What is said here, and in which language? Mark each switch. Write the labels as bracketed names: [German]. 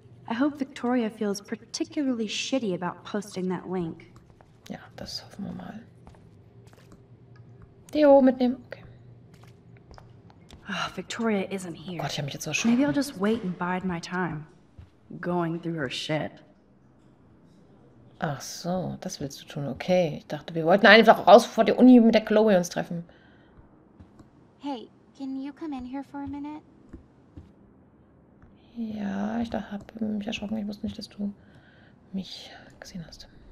[English] I hope Victoria feels particularly shitty about posting that link. [German] Ja, das hoffen wir mal. Deo mitnehmen. Okay. [English] Ah, oh, Victoria isn't here. [German] Oh Gott, ich habe mich jetzt erschrocken. [English] Maybe I'll just wait and bide my time. Going through her shit. [German] Ach so, das willst du tun. Okay, ich dachte, wir wollten einfach raus vor der Uni mit der Chloe uns treffen. [English] Hey, can you come in here for a minute? [German] Ja, ich habe mich erschrocken. Ich wusste nicht, dass du mich gesehen hast.